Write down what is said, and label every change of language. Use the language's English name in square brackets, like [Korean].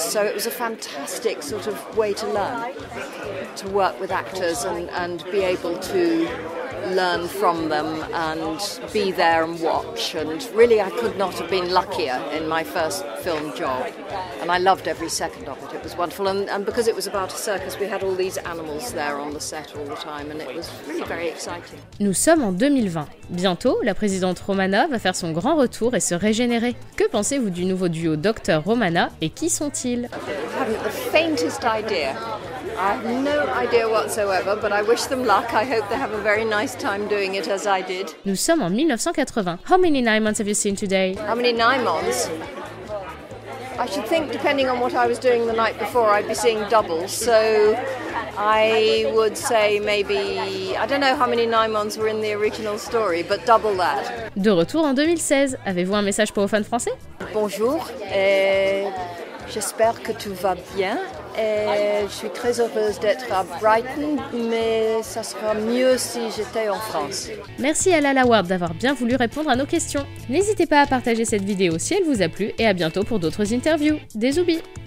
[English] So it was a fantastic sort of way to learn, to work with actors and be able to learn from them and be there and watch. And really, I could not have been luckier in my first film job. And I loved every second of it. It was wonderful. And because it was about a circus, we had all these animals there on the set all the time. And it was really very exciting. [French] Nous sommes en 2020. Bientôt, la présidente Romana va faire son grand retour et se régénérer. Que pensez-vous du nouveau duo Docteur Romana et qui sont-ils ? [English] I haven't the faintest idea. I have no idea whatsoever, but I wish them luck. I hope they have a very nice time doing it as I did. [French] Nous sommes en 1980. [English] How many Nymons have you seen today? How many Nymons? I should think, depending on what I was doing the night before, I'd be seeing doubles. So I would say maybe, I don't know how many Nymons were in the original story, but double that. [French] De retour en 2016, avez-vous un message pour vos fans français? Bonjour, j'espère que tout va bien. Et je suis très heureuse d'être à Brighton, mais ça sera mieux si j'étais en France. Merci à Lalla Ward d'avoir bien voulu répondre à nos questions. N'hésitez pas à partager cette vidéo si elle vous a plu et à bientôt pour d'autres interviews. Des zoubis.